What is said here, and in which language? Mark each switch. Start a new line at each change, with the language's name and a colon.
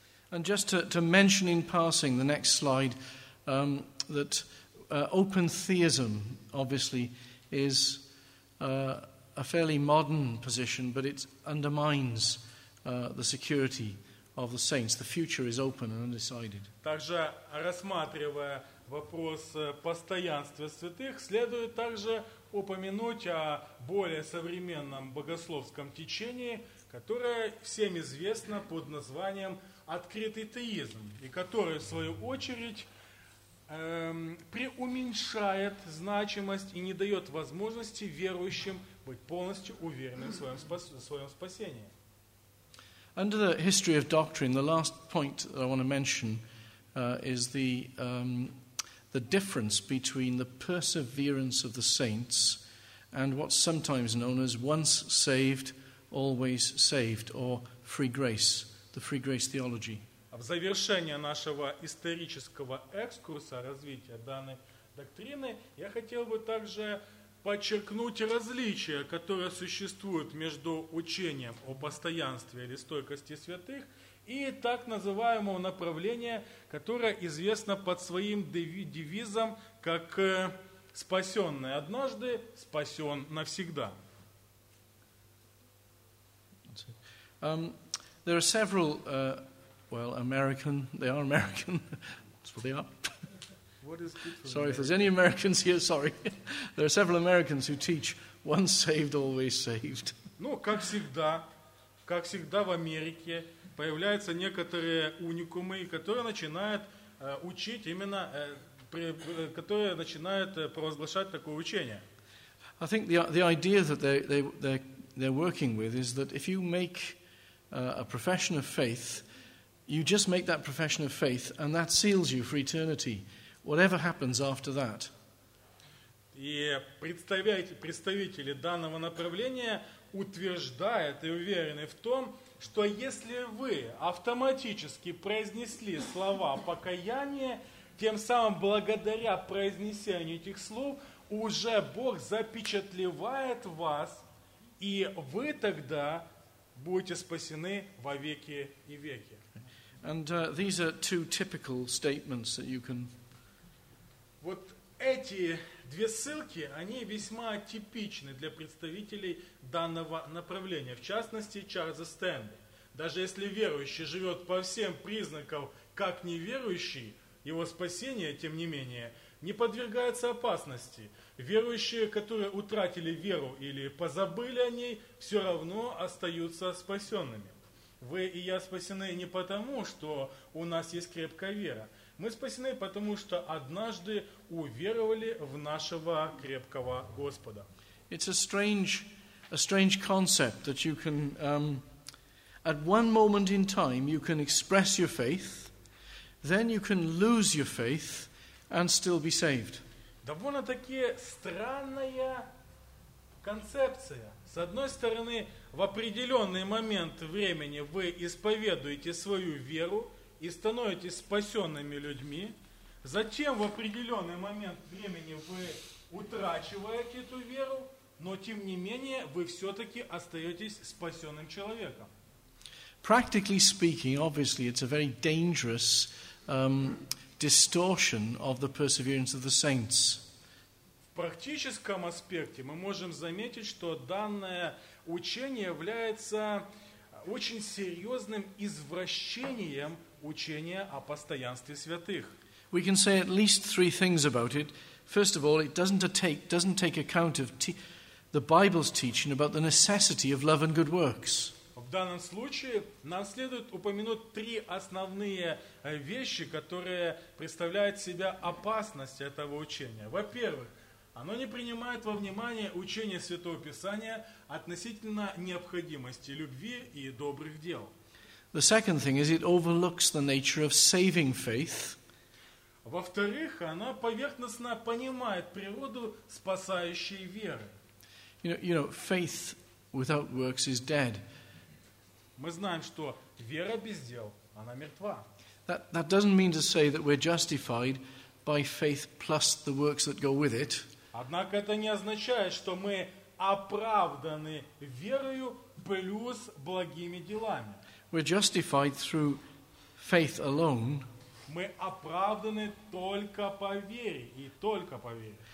English: And just to mention in passing the next slide, that open theism obviously is a fairly modern position, but it undermines the security of the saints. The future is open and undecided.
Russian: Также рассматривая вопрос постоянства святых, следует также упомянуть о более современном богословском течении, которое всем известно под названием открытый теизм, и которое, в свою очередь, преуменьшает значимость и не дает возможности верующим быть полностью уверенным в своем спасении.
English: Under the history of doctrine, the last point I want to mention is the difference between the perseverance of the saints and what's sometimes known as once saved, always saved, or free grace, the free grace theology.
Russian: В завершение нашего исторического экскурса развития данной доктрины я хотел бы также подчеркнуть различия, которые существуют между учением о постоянстве или стойкости святых и так называемого направления, которое известно под своим девизом как «спасенный однажды, спасен навсегда».
English: There are several, American, they are American, that's what they are. What is good for sorry, if there's any Americans here, sorry. There are several Americans who teach once saved, always saved.
Russian: Ну, как всегда в Америке появляются некоторые уникумы, которые начинают учить именно, которые начинают провозглашать такое учение.
English: I think the idea that they're working with is that if you make a profession of faith, you just make that profession of faith, and that seals you for eternity. Whatever happens after that.
Russian: И представители данного направления утверждают и уверены в том, что если вы автоматически произнесли слова покаяния, тем самым благодаря произнесению этих слов, уже Бог запечатлевает вас, и вы тогда будете спасены во веки и веки.
English: And these are two typical statements that you can.
Russian: Вот эти две ссылки, они весьма типичны для представителей данного направления. В частности, Чарльза Стэнли. Даже если верующий живет по всем признакам как неверующий, его спасение, тем не менее, не подвергается опасности. Верующие, которые утратили веру или позабыли о ней, все равно остаются спасенными. Вы и я спасены не потому, что у нас есть крепкая вера. Мы спасены, потому что однажды уверовали в нашего крепкого Господа.
English: It's a strange concept that you can at one moment in time you can express your faith, then you can lose your faith and still be saved.
Russian: Довольно-таки странная концепция. С одной стороны, в определенный момент времени вы исповедуете свою веру и становитесь спасенными людьми. Затем в определенный момент времени вы утрачиваете эту веру, но тем не менее вы все-таки остаетесь спасенным человеком.
English: Practically speaking, obviously, it's a very dangerous distortion of the perseverance of the saints.
Russian: В практическом аспекте мы можем заметить, что данное учение является очень серьезным извращением учения о постоянстве святых.
English: We can say at least three things about it. First of all, it doesn't take account of the Bible's teaching about the necessity of love and good works.
Russian: В данном случае нам следует упомянуть три основные вещи, которые представляют себя опасность этого учения. Во-первых, оно не принимает во внимание учение Святого Писания относительно необходимости любви и добрых дел.
English: The second thing is it overlooks the nature of saving faith.
Russian: Во-вторых, оно поверхностно понимает природу спасающей веры.
English: You know, faith without works is dead.
Russian: Мы знаем, что вера без дел, она мертва.
English: That doesn't mean to say that we're justified by faith plus the works that go with it.
Russian: Однако это не означает, что мы оправданы верою плюс благими делами.
English: We're justified through faith alone.
Russian: Мы оправданы только по вере и только по вере.